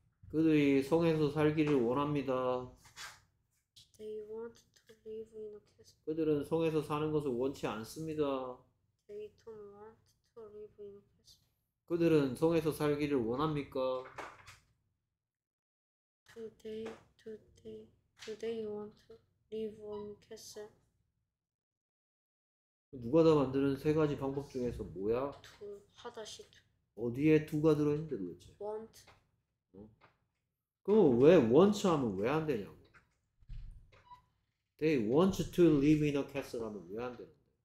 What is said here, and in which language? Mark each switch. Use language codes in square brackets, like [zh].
[ko] 그들이 성에서 살기를 원합니다. [en] They want to live in a castle. [ko] 그들은 성에서 사는 것을 원치 않습니다. [en] They don't want to live in a castle. [ko] 그들은 성에서 살기를 원합니까? [en] Do they want to live in a castle? [ko] 누가 다 만드는 세 가지 방법 중에서 뭐야? 하다시피 어디에 두가 들어있는데 도대체? [en] want. [ko] 그럼 왜 want 하면 왜안 되냐고? They want to live in a castle 하면 왜안 되는데?